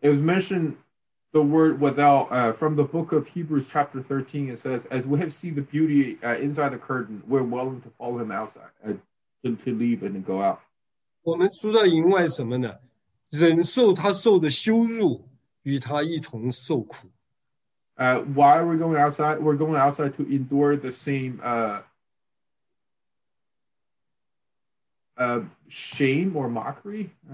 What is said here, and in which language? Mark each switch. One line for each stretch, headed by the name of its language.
English: it was mentioned, the word without from the book of Hebrews chapter 13, it says, as we have seen the beauty inside the curtain, we're willing to follow him outside to leave and go out.
Chinese: 我们出到营外什么呢？忍受他受的羞辱，与他一同受苦。
English: Why are we going outside? We're going outside to endure the same shame or mockery.